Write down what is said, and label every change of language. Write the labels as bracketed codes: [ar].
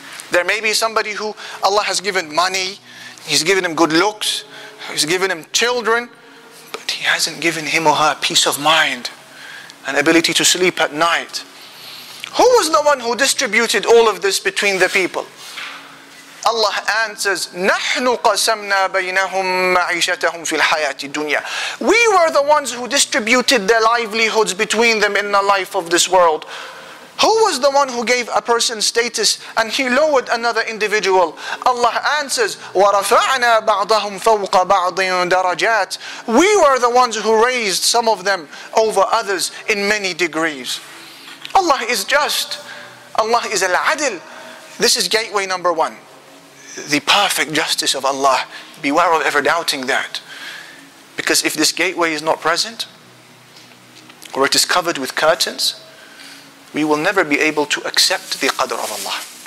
[en] There may be somebody who Allah has given money, He's given him good looks, He's given him children, but He hasn't given him or her peace of mind and ability to sleep at night. Who was the one who distributed all of this between the people? Allah answers, [ar] نَحْنُ قَسَمْنَا بَيْنَهُمْ مَعِيشَتَهُمْ فِي الْحَيَاةِ الدُّنْيَا. [en] We were the ones who distributed their livelihoods between them in the life of this world. Who was the one who gave a person status and he lowered another individual? Allah answers, [ar] وَرَفَعْنَا بَعْضَهُمْ فَوْقَ بَعْضٍ دَرَجَاتٍ. [en] We were the ones who raised some of them over others in many degrees. Allah is just. Allah is al-adil. This is gateway number one. The perfect justice of Allah. Beware of ever doubting that. Because if this gateway is not present, or it is covered with curtains, we will never be able to accept the Qadr of Allah.